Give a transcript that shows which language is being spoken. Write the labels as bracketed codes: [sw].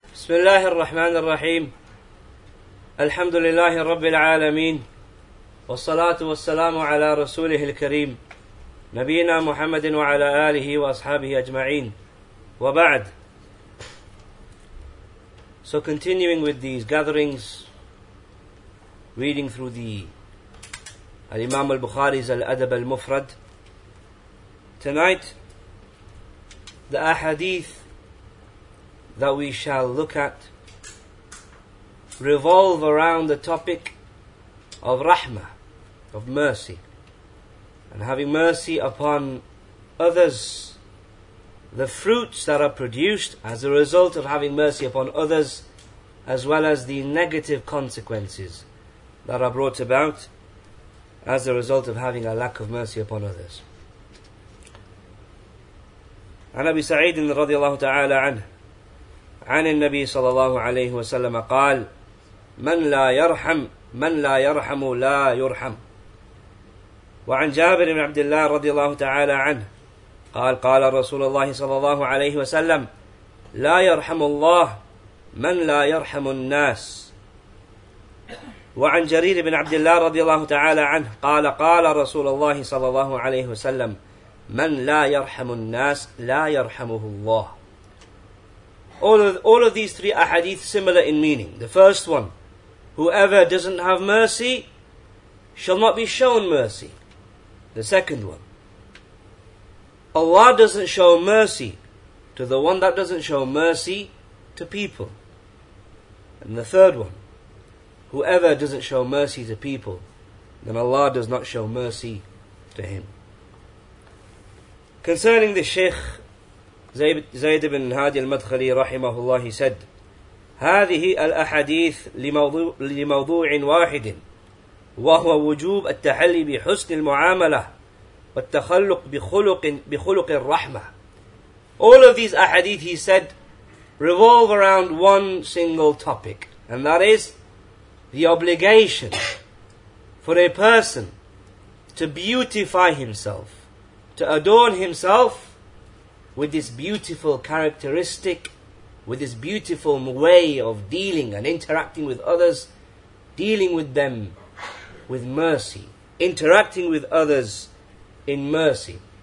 [ar] بسم الله الرحمن الرحيم الحمد لله رب العالمين والصلاة والسلام على رسوله الكريم نبينا محمد وعلى آله وأصحابه أجمعين وبعد. [en] So continuing with these gatherings, reading through the Imam al-Bukhari's Al-Adab al-Mufrad, tonight the Ahadith that we shall look at revolve around the topic of rahmah, of mercy, and having mercy upon others. The fruits that are produced as a result of having mercy upon others, as well as the negative consequences that are brought about as a result of having a lack of mercy upon others. [ar] An Abi Sa'id radiallahu ta'ala anhu, عن النبي صلى الله عليه وسلم قال من لا يرحم لا يرحم. وعن جابر بن عبد الله رضي الله تعالى عنه قال قال رسول الله صلى الله عليه وسلم لا يرحم الله من لا يرحم الناس. وعن جرير بن عبد الله رضي الله تعالى عنه قال قال رسول الله صلى الله عليه وسلم من لا يرحم الناس لا يرحمه الله. [en] All of these three ahadith similar in meaning. The first one, whoever doesn't have mercy shall not be shown mercy. The second one, Allah doesn't show mercy to the one that doesn't show mercy to people. And the third one, whoever doesn't show mercy to people, then Allah does not show mercy to him. Concerning the Shaykh [ar] زيد بن هادي المدخلي رحمه الله سد هذه الأحاديث لموضوع واحد وهو وجوب التحلي بحسن المعاملة والتخلق بخلق الرحمة. [en] All of these ahadith, he said, revolve around one single topic, and that is the obligation for a person to beautify himself, to adorn himself with this beautiful characteristic, with this beautiful way of dealing and interacting with others, dealing with them with mercy, interacting with others in mercy.